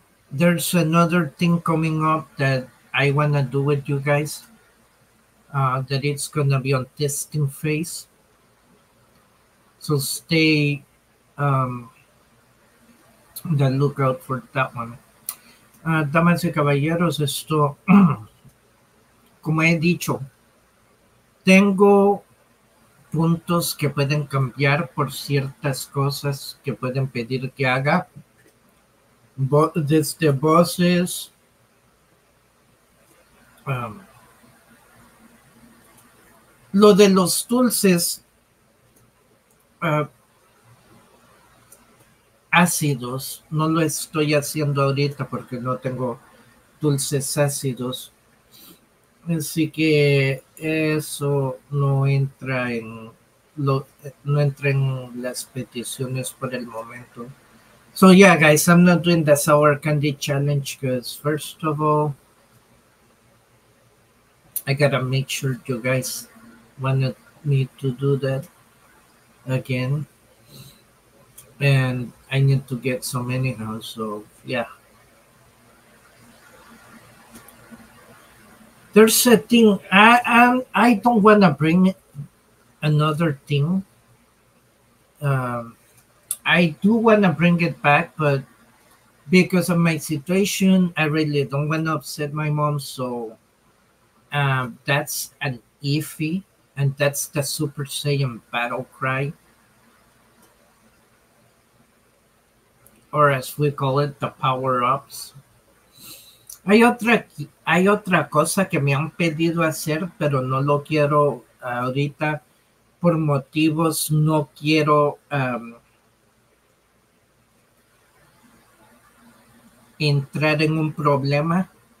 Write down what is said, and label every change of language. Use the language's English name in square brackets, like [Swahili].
[English] There's another thing coming up that I want to do with you guys, that it's going to be on testing phase. So stay the lookout for that one. [Spanish] Damas y caballeros, esto, como he dicho, tengo puntos que pueden cambiar por ciertas cosas que pueden pedir que haga. Desde voces, lo de los dulces, ácidos, no lo estoy haciendo ahorita porque no tengo dulces ácidos, así que eso no entra en no entra en las peticiones por el momento. [English] So yeah guys, I'm not doing the sour candy challenge because first of all I gotta make sure you guys wanted me to do that again, and I need to get some anyhow, so yeah. There's a thing, I don't want to bring another thing. I do want to bring it back, but because of my situation, I really don't want to upset my mom, so that's an iffy, and that's the Super Saiyan battle cry. Or as we call it, the power-ups. [Spanish] Hay otra cosa que me han pedido hacer, pero no lo quiero ahorita. Por motivos, no quiero entrar en un problema.